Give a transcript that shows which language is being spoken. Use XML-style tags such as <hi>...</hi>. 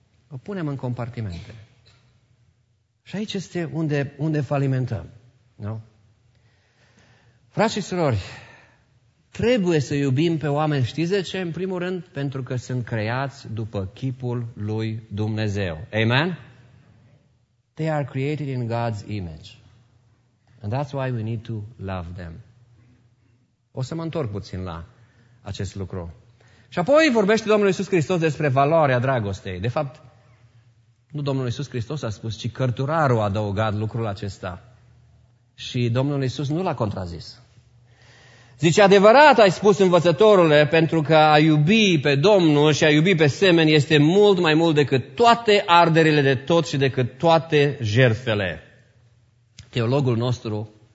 <ro>O punem în compartimente. Și aici este unde falimentăm. Nu? Frați și surori, trebuie să iubim pe oameni, știți de ce? În primul rând, pentru că sunt creați după chipul lui Dumnezeu. Amen?</ro> <en>They are created in God's image. And that's why we need to love them.</en> <ro>O să mă întorc puțin la acest lucru. Și apoi vorbește Domnul Iisus Hristos despre valoarea dragostei. De fapt, nu Domnul Iisus Hristos a spus, ci cărturarul a adăugat lucrul acesta. Și Domnul Iisus nu l-a contrazis. Zice, adevărat ai spus, învățătorule, pentru că a iubi pe Domnul și a iubi pe semeni este mult mai mult decât toate arderile de tot și decât toate jertfele. Teologul nostru,</ro>